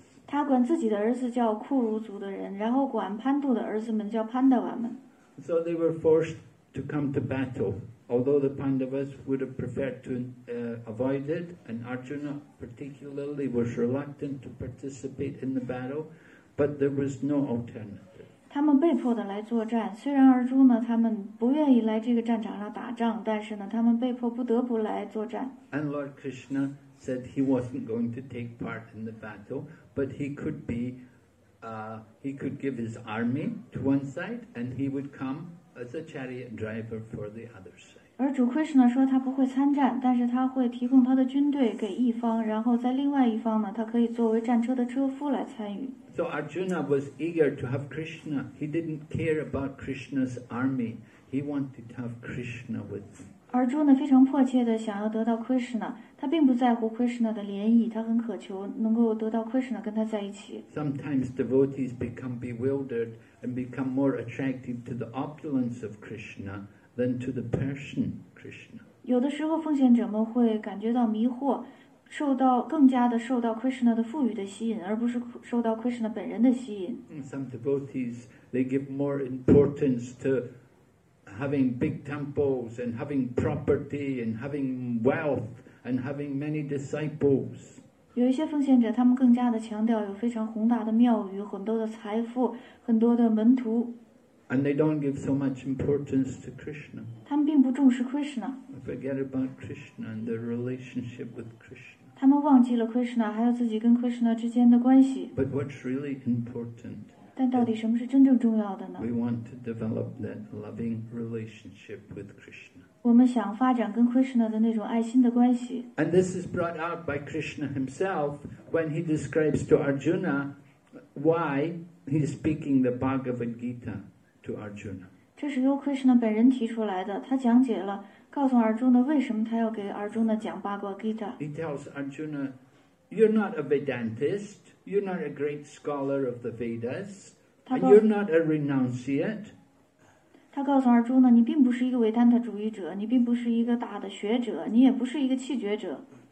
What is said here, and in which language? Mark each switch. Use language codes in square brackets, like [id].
[zh] 他管自己的儿子叫库儒族的人，然后管 Pandu 的儿子们叫 Pandava 们。 [en] So they were forced to come to battle, although the Pandavas would have preferred to avoid it, and Arjuna particularly was reluctant to participate in the battle. But there was no alternative. [zh] 他们被迫的来作战，虽然而诸呢，他们不愿意来这个战场上打仗，但是呢，他们被迫不得不来作战。 [en] And Lord Krishna said he wasn't going to take part in the battle, but he could be, he could give his army to one side, and he would come as a chariot driver for the other side. [zh] 而主 Krishna 说他不会参战，但是他会提供他的军队给一方，然后在另外一方呢，他可以作为战车的车夫来参与。 [en] So Arjuna was eager to have Krishna. He didn't care about Krishna's army. He wanted to have Krishna with him. [zh] Arjuna 非常迫切地想要得到 Krishna. 他并不在乎 Krishna 的怜悯，他很渴求能够得到 Krishna 跟他在一起。 [en] Sometimes devotees become bewildered and become more attracted to the opulence of Krishna than to the person Krishna. [zh] 有的时候奉献者们会感觉到迷惑。受到更加的受到 Krishna 的富裕的吸引，而不是受到 Krishna 本人的吸引。 [en] Some devotees they give more importance to having big temples and having property and having wealth and having many disciples. [zh] 有一些奉献者，他们更加的强调有非常宏大的庙宇、很多的财富、很多的门徒。 [en] And they don't give so much importance to Krishna. [zh] 他们并不重视 Krishna. [en] They forget about Krishna and their relationship with Krishna. [zh] 他们忘记了 Krishna 还有自己跟 Krishna 之间的关系。 [en] But what's really important? [zh] 但到底什么是真正重要的呢？ [en] We want to develop that loving relationship with Krishna. [zh] 我们想发展跟 Krishna 的那种爱心的关系。 [en] And this is brought out by Krishna himself when he describes to Arjuna why he is speaking the Bhagavad Gita to Arjuna. [zh] 这是由 Krishna 本人提出来的，他讲解了。告诉 Arjuna 为什么他要给 Arjuna 讲 Bhagavad Gita. [en] He tells Arjuna, you're not a Vedantist, you're not a great scholar of the Vedas, and you're not a renunciate. [zh] 他告诉 Arjuna, 你并不是一个维丹特主义者，你并不是一个大的学者，你也不是一个弃绝者。